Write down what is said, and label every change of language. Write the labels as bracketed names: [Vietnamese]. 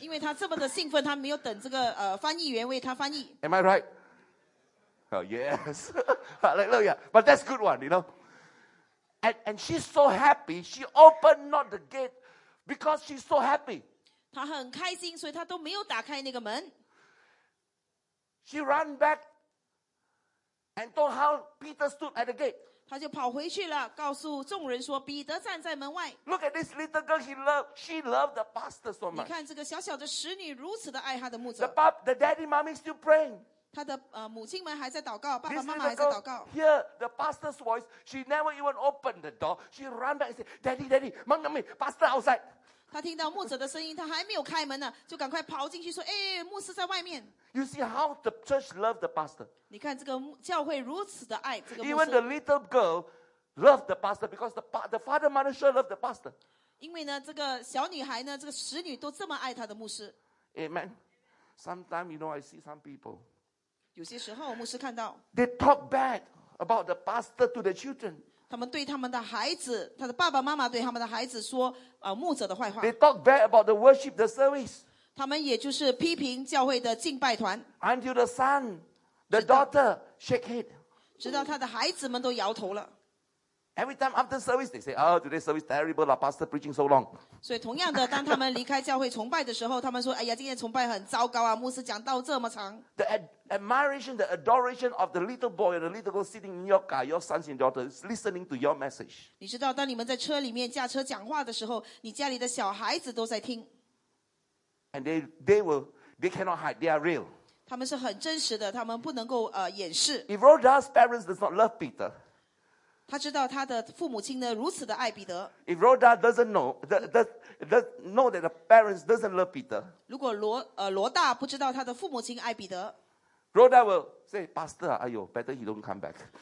[Chinese] 因为他这么的兴奋，他没有等这个翻译员为他翻译。 [English] Am I right? Oh yes, hallelujah. But that's good one, you know. And she's so happy, she opened not the gate because she's so happy. [Chinese] 她很开心，所以她都没有打开那个门。 [English] She ran back and told how Peter stood at the gate. [Chinese] 她就跑回去了，告诉众人说彼得站在门外。 [English] Look at this little girl, she loved the pastor so much. [Chinese] 你看这个小小的使女如此的爱她的牧者。 [English] The daddy, mommy still praying. [Chinese] 他的母亲们还在祷告，爸爸妈妈还在祷告。 [English] This little girl hear the pastor's voice. She never even opened the door. She ran back and said, "Daddy, Daddy, Mommy, Pastor outside." [Chinese] 他听到牧者的声音，他还没有开门呢，就赶快跑进去说：“牧师在外面。” [English] You see how the church loved the pastor. [Chinese] 你看这个教会如此的爱这个牧师。 [English] Even the little girl loved the pastor because the father, mother sure loved the pastor. [Chinese] 因为呢，这个小女孩呢，这个使女都这么爱她的牧师。 [English] Amen. Sometimes you know I see some people. [Chinese] 有些时候牧师看到 [English] They talk bad about the pastor to the children. [Chinese] 他们对他们的孩子他的爸爸妈妈对他们的孩子说牧者的坏话 [English] They talk bad about the worship, the service. [Chinese] 他们也就是批评教会的敬拜团 [English] Until the son, the daughter shake head. [Chinese] 直到他的孩子们都摇头了 [English] Every time after service, they say, oh, today's service terrible, the pastor preaching so long. [Chinese] 所以同样的当他们离开教会崇拜的时候他们说哎呀今天崇拜很糟糕啊牧师讲道这么长 [English] Admiration, the adoration of the little boy and the little girl sitting in your car, your sons and daughters listening to your message. [Chinese] 你知道，当你们在车里面驾车讲话的时候，你家里的小孩子都在听。 [English] And they cannot hide. They are real. [Chinese] 他们是很真实的，他们不能够掩饰。 [English] If Rhoda's parents does not love Peter, [Chinese] 他知道他的父母亲呢如此的爱彼得。 [English] If Rhoda doesn't know that the parents doesn't love Peter, [Chinese] 如果罗大不知道他的父母亲爱彼得 [English] ，Rhoda will say, "Pastor, [Chinese] 哎呦 [English] ，better he don't come back."